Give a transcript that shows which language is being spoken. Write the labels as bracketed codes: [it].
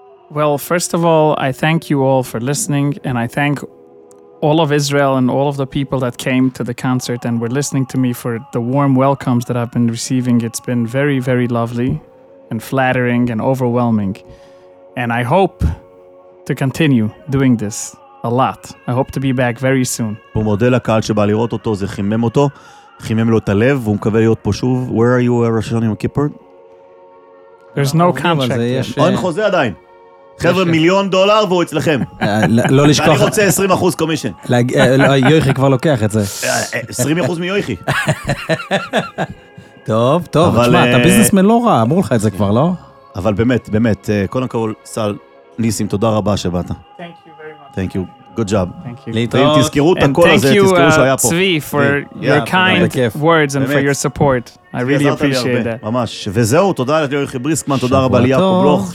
[en] Well, first of all, I thank you all for listening, and I thank all of Israel and all of the people that came to the concert and were listening to me for the warm welcomes that I've been receiving. It's been very, very lovely and flattering and overwhelming. And I hope to continue doing this a lot. I hope to be back very soon. [he] הוא מודה לקהל שבא לראות אותו, זה חימם אותו, חימם לו את הלב, והוא מקווה להיות פה שוב. [en] Where are you, Rosh Hashanah Yom Kippur? There's no contract. [he] אין חוזה עדיין. חבר'ה, מיליון דולר והוא אצלכם. לא לשכוח. ואני רוצה 20% קומישן. יויחי כבר לוקח את זה. 20% מיויחי. טוב. תשמע, אתה ביזנסמן לא רע, אמרו לך את זה כבר, לא? אבל באמת, קודם כל, סל ניסים, תודה רבה שבאת. [en] Thank you very much. Thank you. Good job. Thank you. [he] ואם תזכרו את הכל הזה, תזכרו שהוא היה פה. [en] And thank you, צבי, for your kind words and for your support. I really appreciate that. [he] ממש. וזהו, תודה לך, יויחי בריסקמן, תודה רבה, ליאקוב בלוך.